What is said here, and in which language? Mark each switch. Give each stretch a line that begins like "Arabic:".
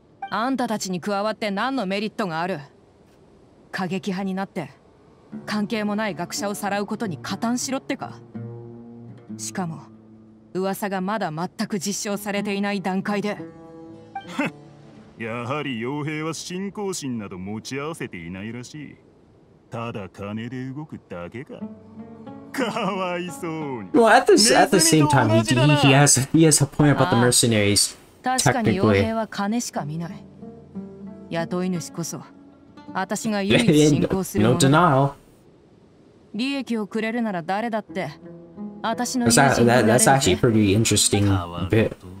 Japanese: あんたたちに加わって何のメリットがある？過激派になって、関係もない学者をさらうことに加担しろってか。しかも、噂がまだ全く実証されていない段階で。やはり傭兵は信仰心など持ち合わせていないらしい。ただ金で動くだけか。かわいそうに。
English: Well, at the same time, he has a point about the mercenaries.
Japanese: 確かに傭兵は金しか見ない。雇い主こそ、私が唯一信仰するもの。
English: No denial.
Japanese: 利益をくれるなら誰だって。
English: That's actually pretty interesting bit.